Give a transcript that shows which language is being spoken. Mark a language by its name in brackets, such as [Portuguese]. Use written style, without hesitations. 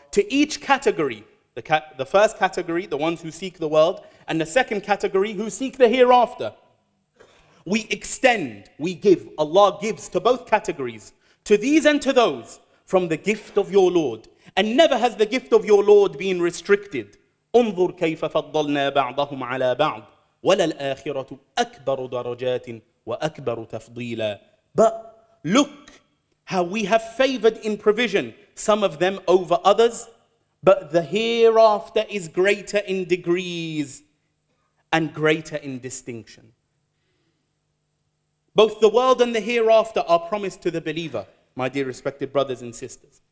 [English] To each category, The first category, the ones who seek the world, and the second category, who seek the hereafter. We extend, we give, Allah gives to both categories, to these and to those, from the gift of your Lord. And never has the gift of your Lord been restricted. [Arabic] انظر كيف فضلنا بعضهم على بعض وللآخرة أكبر درجات وأكبر تفضيلا. [English] But look how we have favored in provision some of them over others. But the hereafter is greater in degrees and greater in distinction. Both the world and the hereafter are promised to the believer, my dear respected brothers and sisters.